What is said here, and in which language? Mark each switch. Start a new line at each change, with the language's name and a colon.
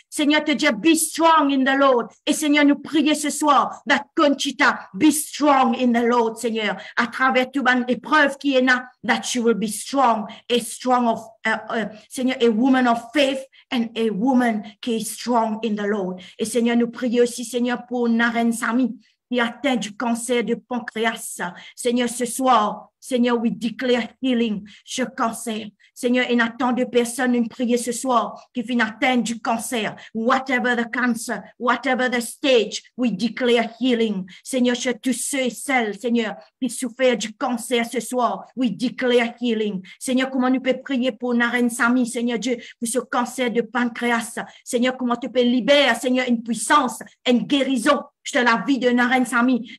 French: Seigneur, te dire,
English: be strong in the Lord.
French: Et Seigneur, nous prions ce soir,
English: that Conchita, be strong in the Lord,
French: Seigneur, à travers toute bonne épreuve qui est là,
English: that she will be strong, a strong of, Seigneur, a woman of faith, and a woman
French: qui est
English: strong in the Lord.
French: Et Seigneur, nous prions aussi, Seigneur, pour Naren Sami, qui atteint du cancer de pancréas. Seigneur, ce soir, Seigneur,
English: we declare healing,
French: ce cancer. Seigneur, il y a tant de personnes qui prient ce soir qui viennent atteindre du cancer.
English: Whatever the cancer, whatever the stage, we declare healing.
French: Seigneur, sur tous ceux et celles, Seigneur, qui souffrent du cancer ce soir,
English: we declare healing.
French: Seigneur, comment nous pouvons prier pour Naren Sami, Seigneur Dieu, pour ce cancer de pancréas. Seigneur, comment tu peux libérer, Seigneur, une puissance, une guérison de la vie de Naren Sami.